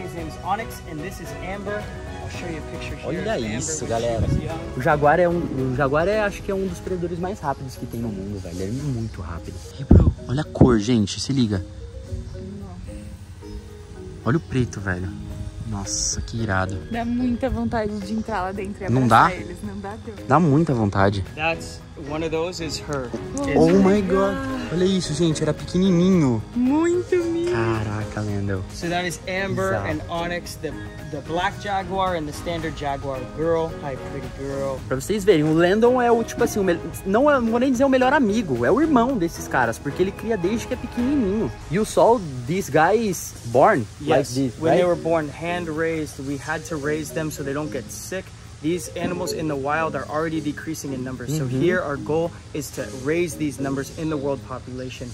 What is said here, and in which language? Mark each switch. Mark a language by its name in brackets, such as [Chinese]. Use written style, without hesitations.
[English] His name is Onyx and this is Amber. [Portuguese] Olha isso, galera. O jaguar é acho que é um dos predadores mais rápidos que tem no mundo, velho. Ele é muito rápido. Olha a cor, gente. Se liga. Olha o preto, velho. Nossa, que irado. Dá muita vontade de entrar lá dentro. Não dá? Não dá, Deus. Dá muita vontade. [English] One of those is her. Oh my god. [Portuguese] Olha isso, gente. Era pequenininho. Muito mini. Caraca, lendo. [English] So that is Amber. [Portuguese] Exato. [English] And Onyx, the black jaguar and the standard jaguar girl. Hi, pretty girl. [Portuguese] Pra vocês verem, o Landon é o, tipo assim, não vou nem dizer o melhor amigo, é o irmão desses caras, porque ele cria desde que é pequenininho. [English] You saw these guys born? Yes, like this, when right? They were born, hand-raised, we had to raise them so they don't get sick. These animals in the wild are already decreasing in numbers. So here our goal is to raise these numbers in the world population.